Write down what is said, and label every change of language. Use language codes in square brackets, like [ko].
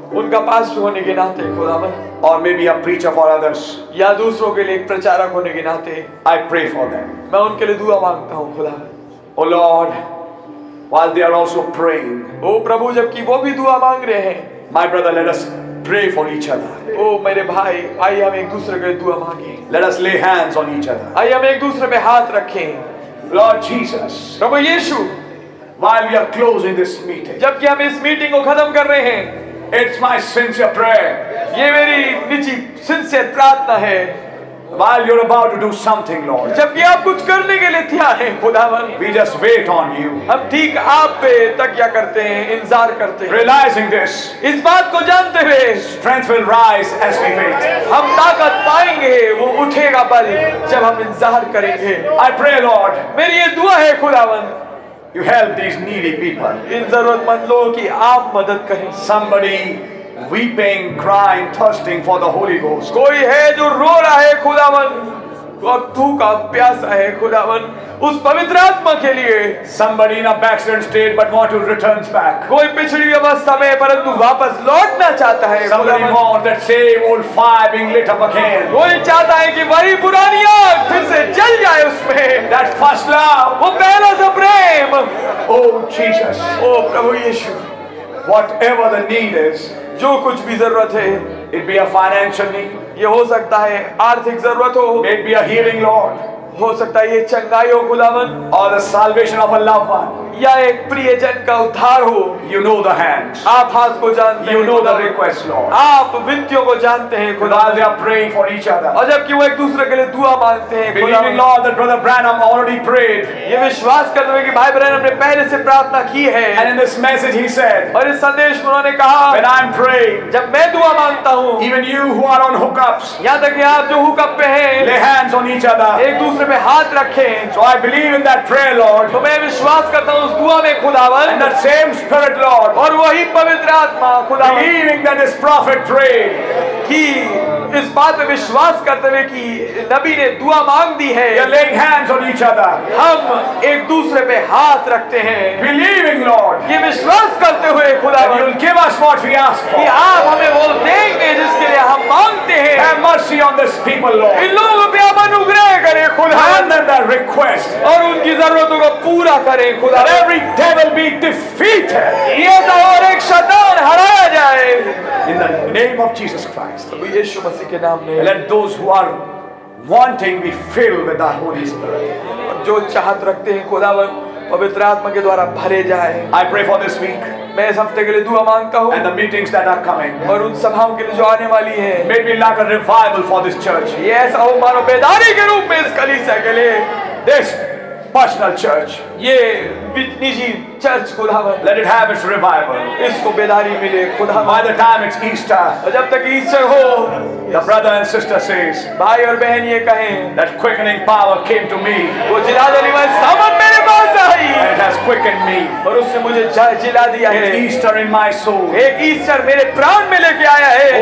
[hi] उनका पास्टर होने के नाते खुदावन, [en] और may be a preacher for others, [hi] या दूसरों के लिए प्रचारक होने के नाते, [en] I pray for them. [hi] मैं उनके लिए दुआ मांगता हूँ खुदावन. [en] Oh Lord, while they are also praying, [hi] ओ प्रभु जबकि वो भी दुआ मांग रहे हैं, [en] My brother, let us pray for each other. [hi] ओ मेरे भाई, आइए हम एक दूसरे के लिए दुआ मांगे. [en] Let us lay hands on each other. [hi] आइए हम एक दूसरे पे हाथ रखें. [en] Lord Jesus, [hi] Prabhu Yeshu, [en] while we are closing this meeting, [hi] जबकि हम इस मीटिंग को खत्म कर रहे हैं, [en] It's my sincere prayer. [hi] ये मेरी निजी सिंसियर प्रार्थना है. [en] While you're about to do something, Lord. [hi] जबकि आप कुछ करने के लिए तैयार हैं, खुदावन. [en] We just wait on you. [hi] हम ठीक आप पे तकिया करते हैं, इंतजार करते हैं. [en] Realizing this. [hi] इस बात को जानते हुए. [en] Strength will rise as we wait. [hi] हम ताकत पाएंगे, वो उठेगा बल जब हम इंतजार करेंगे. [en] I pray, Lord. [hi] मेरी ये दुआ है, खुदावन. [en] You help these needy people. [hi] इन जरूरतमंद लोगों की आप मदद करें. [en] Somebody weeping, crying, thirsting for the Holy Ghost. [hi] कोई है जो रो रहा है खुदावन, और तू का प्यासा है खुदावन, उस पवित्र आत्मा के लिए. [en] Somebody in a backslidden state but want to return back. [hi] कोई पिछड़ी अवस्था में परंतु वापस लौटना चाहता है. [en] Somebody want that same old fire being lit up again. [hi] कोई चाहता है कि वही पुरानी आग फिर से जल जाए उसमें. [en] That first love. [hi] वो पहला सा प्रेम. [en] Oh Jesus. [hi] O Prabhu Yeshu. [en] Whatever the need is. [hi] जो कुछ भी जरूरत है. [en] It be a financial need. [hi] ये हो सकता है आर्थिक जरूरत हो. [en] It be a healing, Lord. [hi] हो सकता है ये चंगाई हो खुदावन. [en] Or the salvation of a loved one. [hi] या एक प्रियजन का उद्धार हो. [en] You know the hand. [hi] आप हाथ को जानते [en] हैं. You know the request, Lord. [hi] आप विनतियों को जानते हैं खुदावन. [en] They are praying for each other. [hi] और जबकि वो एक दूसरे के लिए दुआ मांगते हैं खुदावन. [en] Believe in Lord that brother Branham already prayed. [hi] ये विश्वास करते हुए कि भाई ब्रैनम ने पहले से प्रार्थना की है. [en] And in this message he said. [hi] और इस संदेश में उन्होंने कहा. [en] When I'm praying. [hi] जब मैं दुआ मांगता हूँ. [en] Even you who are on hookups. [hi] यहाँ तक कि आप जो हुकअप पे हैं. [en] Lay hands on each other. [hi] एक दूसरे पे हाथ रखें. [en] So I believe in that prayer, Lord. [hi] तो मैं विश्वास करता हूँ दुआ में खुदावन. [en] And the same spirit, Lord. [hi] और वही पवित्र आत्मा खुदावन. [en] Believing that this prophet prayed. [hi] कि इस बात पे विश्वास करते हुए कि नबी ने दुआ मांग दी है. [en] We are laying hands on each other. [hi] हम एक दूसरे पे हाथ रखते हैं. [en] Believing, Lord. [hi] ये विश्वास करते हुए खुदावन. [en] You'll give us what we ask for. [hi] कि आप हमें वो देंगे जिसके लिए हम मांगते हैं. [en] Have mercy on this people, Lord. [hi] इन लोगों पे आप अनुग्रह करें खुदावन. [en] Answer their request. [hi] और उनकी जरूरतों को पूरा करें खुदावन. [en] Every devil be defeated. [hi] ये तो और एक शैतान हराया जाए. [en] In the name of Jesus Christ. [hi] तो यीशु मसीह के नाम में. [en] Let those who are wanting be filled with the Holy Spirit. [hi] और जो चाहत रखते हैं खुदावन पवित्र आत्मा के द्वारा भरे जाए. [en] I pray for this week. [hi] मैं इस हफ्ते के लिए दुआ मांगता हूँ. [en] And the meetings that are coming. [hi] और उन सभाओं के लिए जो आने वाली हैं. [en] May be like a revival for this church. [hi] ये ऐसा हो मानो बेदारी के रूप में इस कलीसिया के लिए. [en] This personal church. [hi] ये निजी चर्च खुदावन. [en] Let it have its revival. [hi] इसको बेदारी मिले खुदावन. [en] By the time it's Easter. [hi] और जब तक ईस्टर हो. [en] The brother and sister says. [hi] भाई और बहन ये कहें. [en] That quickening power came to me. [hi] वो जिला देने वाला सामर्थ्य मेरे पास आई. [en] It has quickened. quickened me. [hi] और उसने मुझे जिला दिया है. [en] An Easter in my soul. [hi] एक ईस्टर मेरे प्राण में लेके आया है.